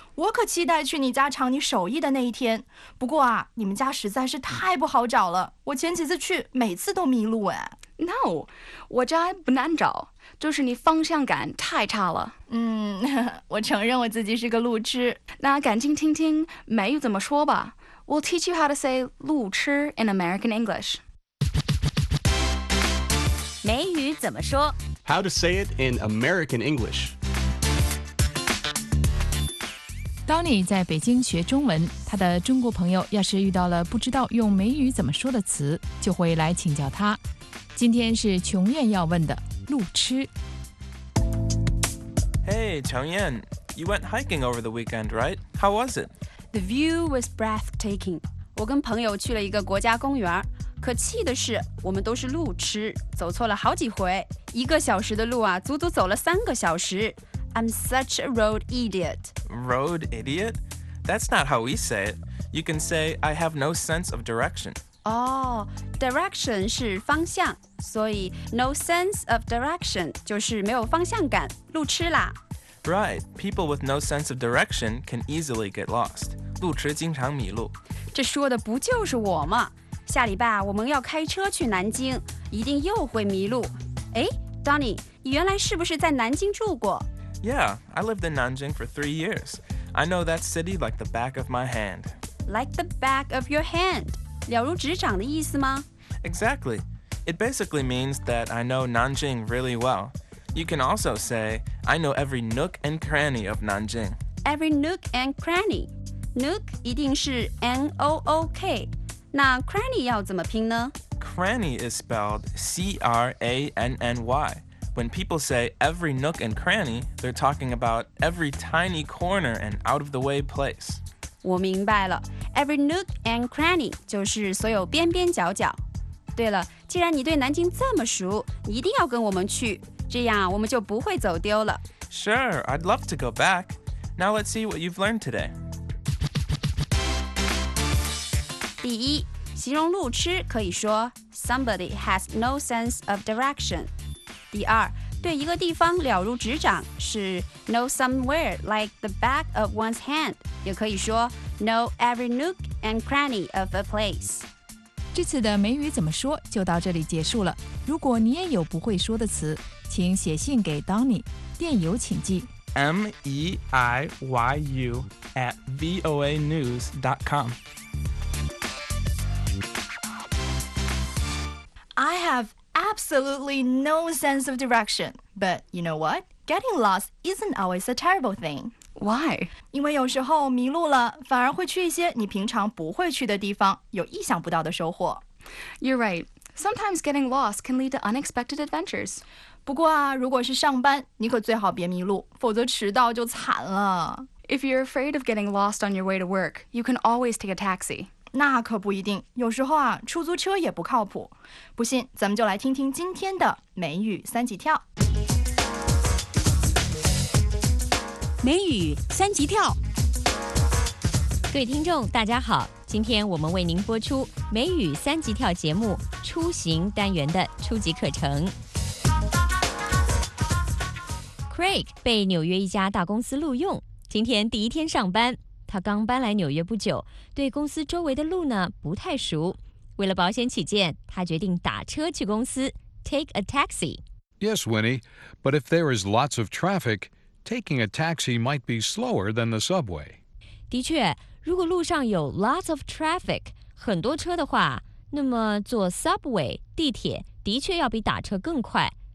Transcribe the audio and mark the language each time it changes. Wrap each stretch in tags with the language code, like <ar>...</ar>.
<zh>我可期待去你家尝你手艺的那一天。不过啊，你们家实在是太不好找了。我前几次去，每次都迷路哎。 No, 我家不难找，就是你方向感太差了。我承认我自己是个路痴。那赶紧听听美语怎么说吧。</zh> <en>We'll teach you how to say 路痴 in American English.</en> <zh>美语怎么说</zh> <en>How to say it in American English.</en> <zh>当你在北京学中文，他的中国朋友要是遇到了不知道用美语怎么说的词，就会来请教他。今天是琼艳要问的路痴。</zh> <en>Hey, 琼艳 you went hiking over the weekend, right? How was it? The view was breathtaking.</en> <zh>我跟朋友去了一个国家公园，可气的是，我们都是路痴，走错了好几回。一个小时的路啊，足足走了三个小时。</zh> <en>I'm such a road idiot. Road idiot? That's not how we say it. You can say, I have no sense of direction. Oh, direction</en> <zh>是方向，所以</zh> <en>no sense of direction</en> <zh>就是没有方向感，路痴啦。</zh> <en>Right, people with no sense of direction can easily get lost.</en> <zh>路痴经常迷路。这说的不就是我吗？下礼拜我们要开车去南京，一定又会迷路。哎 ，Donny， 你原来是不是在南京住过</zh> <en>？Yeah, I lived in Nanjing for 3 years. I know that city like the back of my hand. Like the back of your hand，</en> <zh>了如指掌的意思吗</zh> <en>？Exactly. It basically means that I know Nanjing really well. You can also say, I know every nook and cranny of Nanjing. Every nook and cranny. Nook</en> <zh>一定是</zh> <en>N-O-O-K.</en> <zh>那 cranny 要怎么拼呢</zh> <en>Cranny is spelled C-R-A-N-N-Y. When people say every nook and cranny, they're talking about every tiny corner and out-of-the-way place.</en> <zh>我明白了。</zh> <en>Every nook and cranny</en> <zh>就是所有边边角角。对了，既然你对南京这么熟，你一定要跟我们去。这样我们就不会走丢了。</zh> <en>Sure, I'd love to go back. Now let's see what you've learned today.</en> <zh>第一，形容路痴可以说</zh> <en>somebody has no sense of direction.</en> <zh>第二，对一个地方了如指掌是</zh> <en>know somewhere like the back of one's hand.</en> <zh>也可以说</zh> <en>Know every nook and cranny of a place.</en> <zh>这次的美语怎么说就到这里结束了。如果你也有不会说的词，请写信给 Donny， 电邮请寄</zh> <en>meiyu@voanews.com。 I have absolutely no sense of direction. But you know what? Getting lost isn't always a terrible thing. Why?</en> <zh>因为有时候迷路了，反而会去一些你平常不会去的地方，有意想不到的收获。</zh> <en>You're right. Sometimes getting lost can lead to unexpected adventures.</en> <zh>不过啊，如果是上班，你可最好别迷路，否则迟到就惨了。</zh> <en>If you're afraid of getting lost on your way to work, you can always take a taxi.</en> <zh>那可不一定，有时候啊，出租车也不靠谱。不信，咱们就来听听今天的美语三级跳。美语三级跳。各位听众，大家好，今天我们为您播出美语三级跳节目出行单元的初级课程。 Craig 被纽约一家大公司录用，今天第一天上班。他刚搬来纽约不久，对公司周围的路呢不太熟。为了保险起见，他决定打车去公司 ，</zh> <en>take a taxi。 Yes, Winnie, but if there is lots of traffic, taking a taxi might be slower than the subway.</en> <zh>的确，如果路上有</zh> <en>lots of traffic,</en> <zh>很多车的话，那么坐 subway 地铁的确要比打车更快。</zh>